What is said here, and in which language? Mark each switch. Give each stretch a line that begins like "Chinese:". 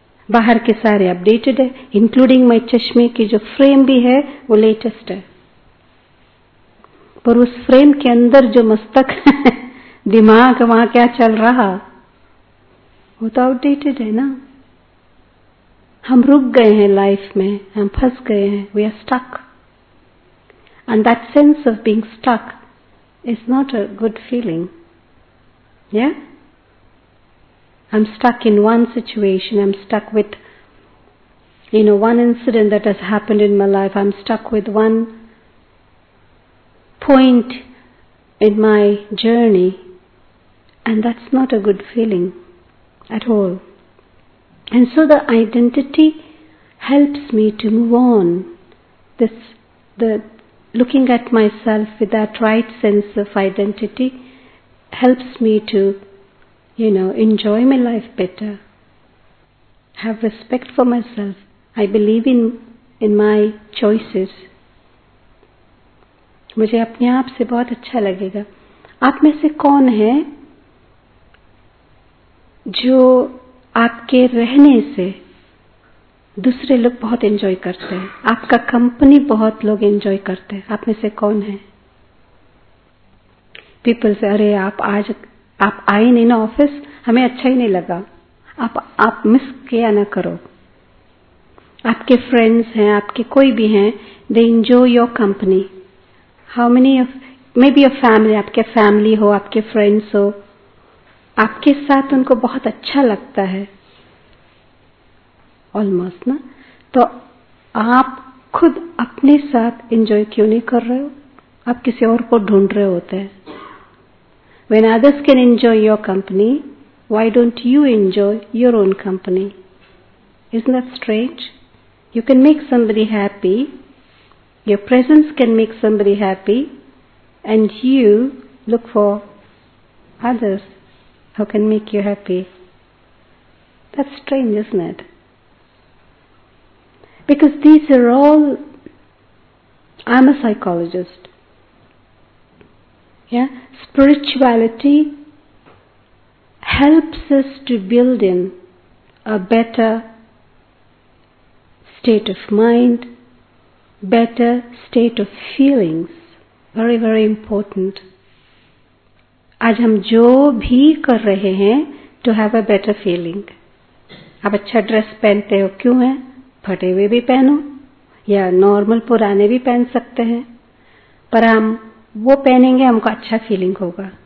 Hindi: बाहर के सारे अपडेटेड है, इंक्लूडिंग माय चश्मे की जो फ्रेम भी है वो लेटेस्ट है, पर उस फ्रेम के अंदर जो मस्तक है, दिमाग, वहां क्या चल रहा, वो तो आउटडेटेड है ना। हम रुक गए हैं
English: Life में, हम फंस गए हैं, we are stuck, and that sense of being stuck is not a good feeling. Yeah, I'm stuck in one situation, I'm stuck with, you know, one incident that has happened in my life, I'm stuck with one point in my journey, and that's not a good feeling at all. And so the identity helps me to move on. The looking at myself with that right sense of identity helps me to, you know, enjoy my life better, have respect for myself. I believe in my choices.
Hindi: मुझे अपने आप से बहुत अच्छा लगेगा। आप में से कौन है जो आपके रहने से दूसरे लोग बहुत enjoy करते हैं, आपका company बहुत लोग enjoy करते हैं, आप में से कौन है? पीपल से अरे आप आए नहीं ना ऑफिस, हमें अच्छा ही नहीं लगा, आप मिस किया ना करो। आपके फ्रेंड्स हैं, आपके कोई भी हैं,
English: They enjoy your company. How many may be your family,
Hindi: आपके फैमिली हो, आपके फ्रेंड्स हो, आपके साथ उनको बहुत अच्छा लगता है ऑलमोस्ट ना, तो आप खुद अपने साथ इंजॉय क्यों नहीं कर रहे हो? आप किसी और को ढूंढ रहे होते हैं।
English: When others can enjoy your company, why don't you enjoy your own company? Isn't that strange? You can make somebody happy, your presence can make somebody happy, and you look for others who can make you happy. That's strange, isn't it? Because these are all, I'm a psychologist. Yeah, spirituality helps us to build in a better state of mind, better state of feelings. Very, very important.
Hindi: आज हम जो भी कर रहे हैं
English: to have a better feeling.
Hindi: आप अच्छा dress पहनते हो, क्यों है? फटे हुए भी पहनो या नॉर्मल पुराने भी पहन सकते हैं, पर हम वो पहनेंगे हमको अच्छा फीलिंग होगा।